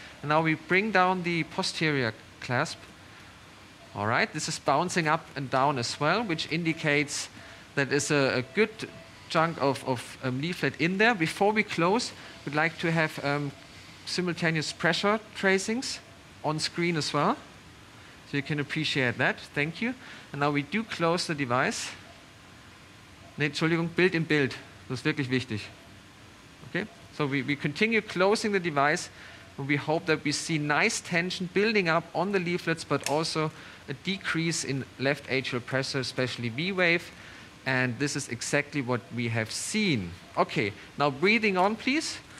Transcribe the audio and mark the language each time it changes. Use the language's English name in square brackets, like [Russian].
[English] And now we bring down the posterior clasp. All right, this is bouncing up and down as well, which indicates that it's a good chunk of leaflet in there. Before we close, we'd like to have simultaneous pressure tracings on screen as well, so you can appreciate that. Thank you. And now we do close the device. [German] Entschuldigung, Bild im Bild. Das ist wirklich wichtig. Okay, [English] So we continue closing the device, and we hope that we see nice tension building up on the leaflets, but also a decrease in left atrial pressure, especially V-wave. And this is exactly what we have seen. Okay, now breathing on, please.